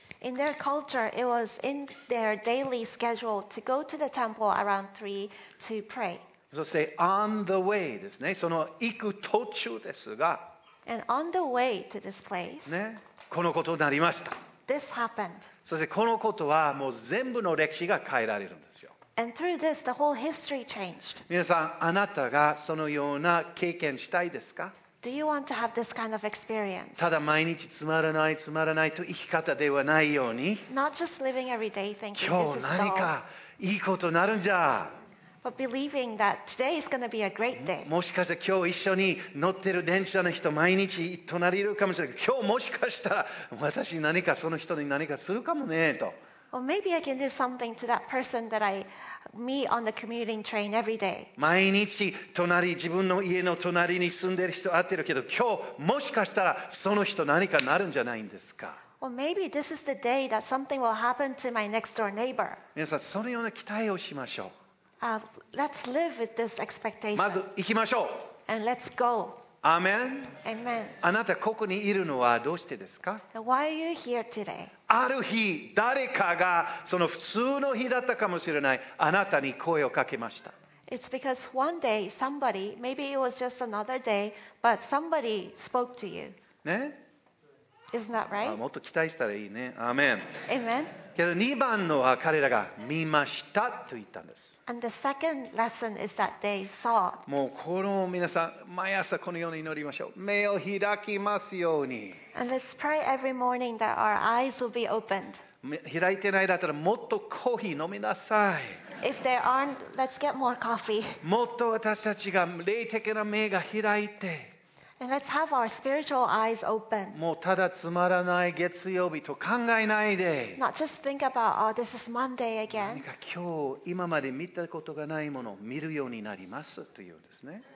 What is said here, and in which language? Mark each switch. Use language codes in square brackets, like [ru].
[en] In their culture, it was in their daily schedule to go to the temple around 3 to pray. [ja] そして [en] on the way [ja] ですね。その行く途中ですが。 [en] And on the way to this place. [ja] ね、このことになりました。 [en] This happened. [ja] そしてこのことはもう全部の歴史が変えられるんですよ。 [en] And through this, the whole history changed. [ja] 皆さん、あなたがそのような経験したいですか？ [en] Do you want to have this kind of experience? [ja] ただ毎日つまらないと生き方ではないように。 [en] Not just living every day thinking this is dull. [ja] 今日何かいいことになるんじゃ。 [en] But believing that today is going to be a great day. [ja] もしかして今日一緒に乗ってる電車の人毎日隣いるかもしれない。今日もしかしたら私何かその人に何かするかもねと。 [en] Or maybe I can do something to that person that I meet on the commuting train every day. [ja] 毎日隣自分の家の隣に住んでる人会ってるけど、今日もしかしたらその人何かなるんじゃないんですか。 [en] Or maybe this is the day that something will happen to my next door neighbor. [ja] 皆さんそのような期待をしましょう。 [en] Let's live with this expectation. [ja] まず行きましょう。 [en] And let's go. Amen. Amen. [ja] あなたここにいるのはどうしてですか？ [en] Why are you here today? [ja] ある日誰かがその普通の日だったかもしれないあなたに声をかけました。 [en] It's because one day somebody, maybe it was just another day, but somebody spoke to you. [ja] ね？ [en] Isn't that right? [ja] もっと期待したらいいね。 [en] Amen. Amen. [ja] けど2番のは彼らが見ましたと言ったんです。 [en] And the second lesson is that they saw. [ja] もうこの皆さん毎朝このように祈りましょう。目を開きますように。 [en] And let's pray every morning that our eyes will be opened. [ja] 開いてないだったらもっとコーヒー飲みなさい。 [en] If they aren't, let's get more coffee. [ja] もっと私たちが霊的な目が開いて。 [en] And let's have our spiritual eyes open. [ja] もうただつまらない月曜日と考えないで。 [en] Not just think about, oh, this is Monday again. [ja] 何か今日今まで見たことがないものを見るようになりますというんですね。